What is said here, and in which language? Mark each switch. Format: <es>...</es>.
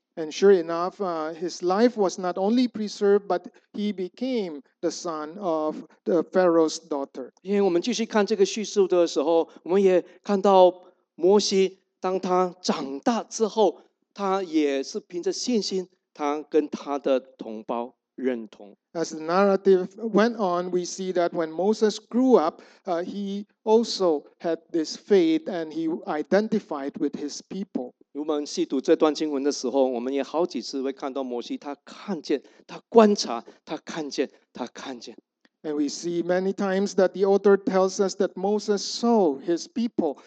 <en>And sure enough, his life was not only preserved, but he became the son of the Pharaoh's daughter.</en> <zh>因为我们继续看这个叙述的时候，我们也看到摩西。当他长大之后，他也是凭着信心，他跟他的同胞认同。</zh> <en>As the narrative went on, we see that when Moses grew up, he also had this faith and he identified with his people.</en> <zh>我们细读这段经文的时候，我们也好几次会看到摩西，他看见，他观察，他看见。</zh> <en>And we see many times that the author tells us that Moses saw his people.</en>